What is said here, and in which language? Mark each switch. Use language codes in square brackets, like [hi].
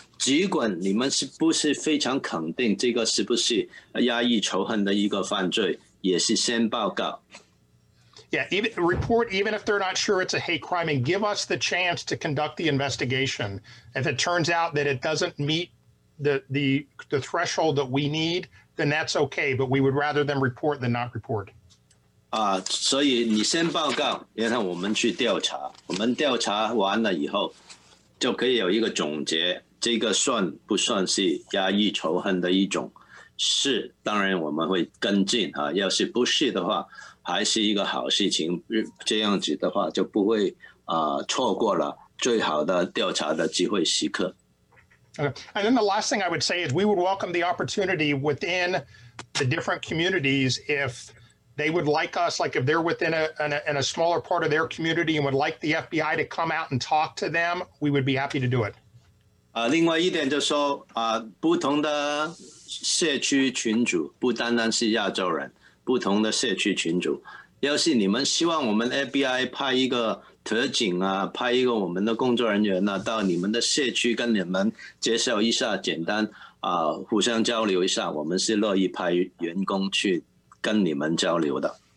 [zh] 尽管你们是不是非常肯定这个是不是压抑仇恨的一个犯罪，也是先报告。 [en] Yeah, even report even if they're not sure it's a hate crime, and give us the chance to conduct the investigation. If it turns out that it doesn't meet the threshold that we need, then that's okay. But we would rather them report than not report. [zh] 所以你先报告，然后我们去调查。我们调查完了以后，就可以有一个总结。这个算不算是压抑仇恨的一种？是，当然我们会跟进啊。要是不是的话，还是一个好事情。这样子的话，就不会错过了最好的调查的机会时刻。 [en] Okay. And then the last thing I would say is we would welcome the opportunity within the different communities if they would like us, like if they're within a smaller part of their community and would like the FBI to come out and talk to them, we would be happy to do it. [zh] 另外一点就是说，不同的社区群组，不单单是亚洲人，不同的社区群组，要是你们希望我们 FBI 派一个特警啊，派一个我们的工作人员啊，到你们的社区跟你们介绍一下，简单啊，互相交流一下，我们是乐意派员工去跟你们交流的。